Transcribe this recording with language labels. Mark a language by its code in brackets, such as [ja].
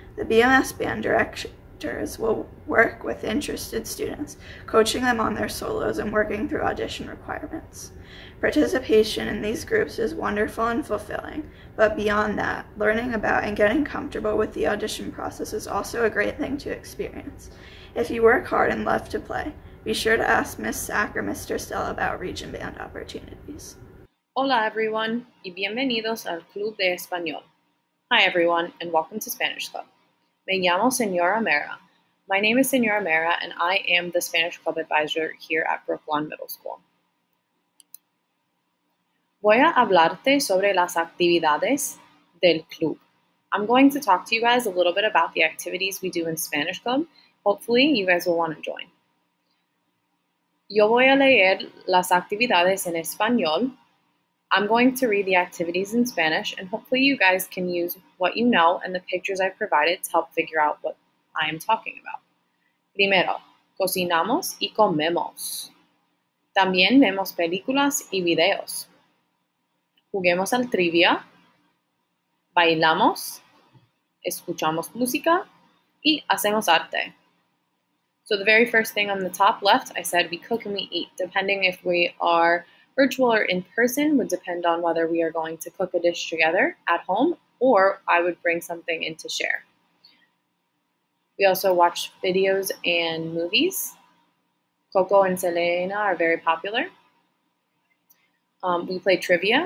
[en] The BMS band directors will work with interested students, coaching them on their solos and working through audition requirements. Participation in these groups is wonderful and fulfilling, but beyond that, learning about and getting comfortable with the audition process is also a great thing to experience. If you work hard and love to play, be sure to ask Ms. Sack or Mr. Stella about region band opportunities. [es] Hola everyone, y bienvenidos al Club de Español. [en] Hi everyone, and welcome to Spanish Club. [es] Me llamo Señora Mera. [en] My name is Señora Mera, and I am the Spanish Club Advisor here at Brooklawn Middle School. [es] Voy a hablarte sobre las actividades del club. [en] I'm going to talk to you guys a little bit about the activities we do in Spanish Club. Hopefully, you guys will want to join. [es] Yo voy a leer las actividades en español. [en] I'm going to read the activities in Spanish, and hopefully you guys can use what you know and the pictures I've provided to help figure out what I am talking about. [es] Primero, cocinamos y comemos. También vemos películas y videos. Juguemos al trivia, bailamos, escuchamos música, y hacemos arte. [en] So the very first thing on the top left, I said we cook and we eat. Depending if we are virtual or in person would depend on whether we are going to cook a dish together at home or I would bring something in to share. We also watch videos and movies. Coco and Selena are very popular. We play trivia.